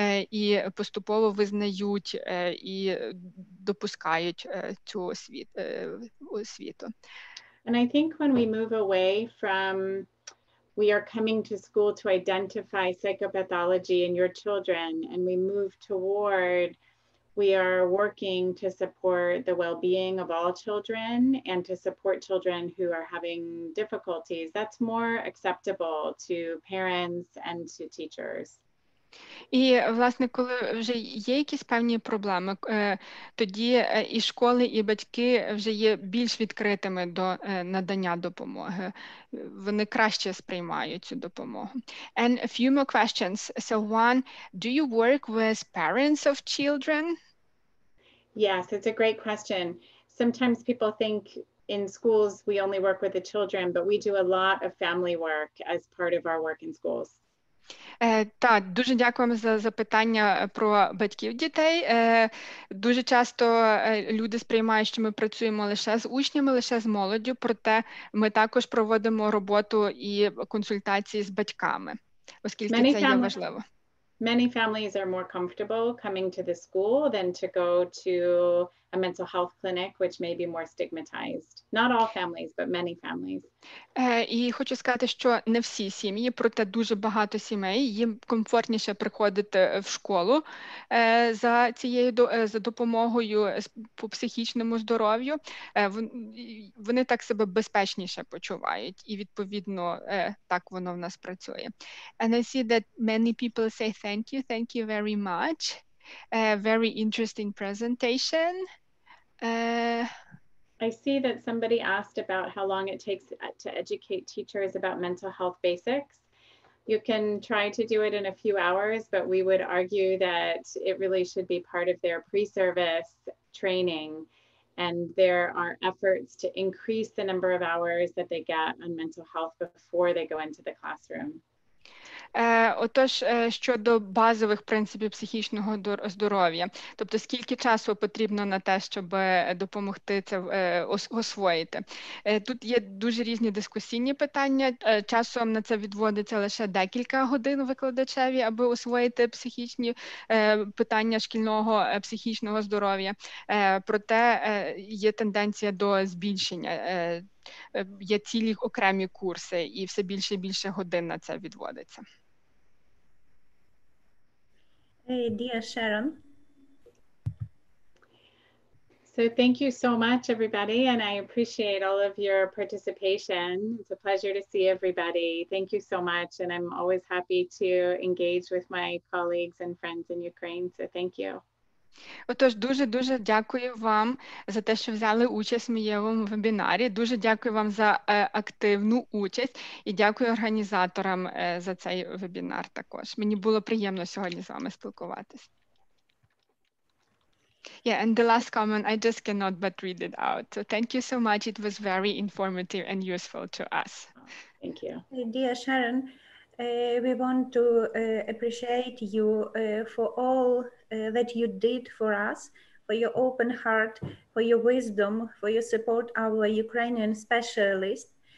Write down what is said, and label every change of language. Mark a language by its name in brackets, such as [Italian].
[Ukrainian] І поступово визнають і допускають цю освіту. [English] And I think when we move away from we are coming to school to identify psychopathology in your children, and we move toward we are working to support the well-being of all children and to support children who are having difficulties, that's more acceptable to parents and to teachers. [Ukrainian] І, власне, коли вже є якісь певні проблеми, тоді і школи, і батьки вже є більш відкритими до надання допомоги. Вони краще сприймають цю допомогу. [English] And a few more questions. So one, do you work with parents of children? Yes, it's a great question. Sometimes people think in schools we only work with the children, but we do a lot of family work as part of our work in schools. [Ukrainian] Так, дуже дякуємо за запитання про батьків дітей. Дуже часто люди сприймають, що ми працюємо лише з учнями, лише з молоддю, проте ми також проводимо роботу і консультації з батьками, оскільки [English] many [Ukrainian] це є важливо. [English] Many families are more comfortable coming to the school than to go to a mental health clinic, which may be more stigmatized. Not all families, but many families. [Ukrainian] І хочу сказати, що не всі сім'ї, проте дуже багато сімей, їм комфортніше приходити в школу за допомогою по психічному здоров'ю. Вони так себе безпечніше почувають, і відповідно так воно в нас працює. [English] And I see that many people say thank you very much. Very interesting presentation. I see that somebody asked about how long it takes to educate teachers about mental health basics. You can try to do it in a few hours, but we would argue that it really should be part of their pre-service training. And there are efforts to increase the number of hours that they get on mental health before they go into the classroom. [Ukrainian] Отож, щодо базових принципів психічного здоров'я, тобто скільки часу потрібно на те, щоб допомогти це освоїти. Тут є дуже різні дискусійні питання, часом на це відводиться лише декілька годин викладачеві, аби освоїти психічні питання шкільного психічного здоров'я. Проте є тенденція до збільшення, є цілі окремі курси і все більше і більше годин на це відводиться. [English] Hey, dear Sharon. So thank you so much, everybody, and I appreciate all of your participation. It's a pleasure to see everybody. Thank you so much, and I'm always happy to engage with my colleagues and friends in Ukraine, so thank you. [Ukrainian] Отож, дуже-дуже дякую вам за те, що взяли участь в моєму вебінарі. Дуже дякую вам за активну участь і дякую організаторам за цей вебінар також. Мені було приємно сьогодні з вами спілкуватись. [English] Yeah, and the last comment, I just cannot but read it out. So thank you so much. It was very informative and useful to us. Thank you. Hey, dear Sharon. We want to appreciate you for all that you did for us, for your open heart, for your wisdom, for your support our Ukrainian specialists.